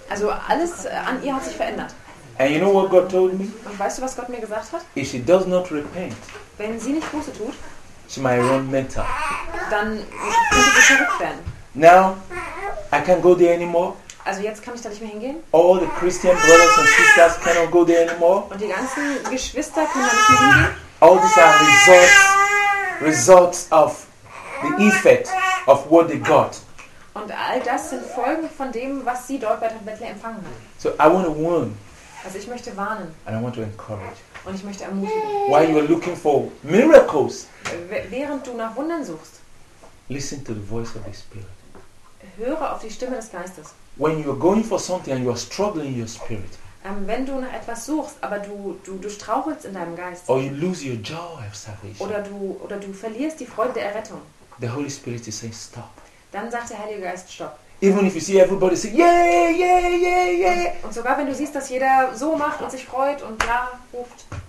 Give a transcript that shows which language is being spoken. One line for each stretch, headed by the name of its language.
German: Also alles an ihr hat sich verändert.
English: And you know what God told me?
German: Und weißt du, was Gott mir gesagt hat?
English: If she does not repent,
German: wenn sie nicht Buße tut,
English: she might run mental.
German: Dann könnte sie verrückt werden.
English: Now, I can't go there anymore.
German: Also jetzt kann ich da nicht mehr hingehen.
English: All the Christian brothers and sisters cannot go there anymore.
German: Und die ganzen Geschwister können da nicht mehr hingehen.
English: All these are results of the effect of what they got.
German: Und all das sind Folgen von dem, was sie dort bei Todd Bentley empfangen haben.
English: So I want to warn.
German: Also ich möchte warnen.
English: And I want to encourage.
German: Und ich möchte ermutigen.
English: While you are looking for miracles.
German: Während du nach Wundern suchst.
English: Listen to the voice of the Spirit.
German: Höre auf die Stimme des Geistes.
English: When you are going for something and you are struggling in your spirit.
German: Wenn du nach etwas suchst, aber du strauchelst in deinem Geist.
English: Or you lose your joy of salvation.
German: Oder du verlierst die Freude der Errettung.
English: The Holy Spirit is saying stop.
German: Dann sagt der Heilige Geist stopp.
English: Even if you see everybody say yeah yeah yeah yeah.
German: Und sogar wenn du siehst, dass jeder so macht und sich freut und ja ruft.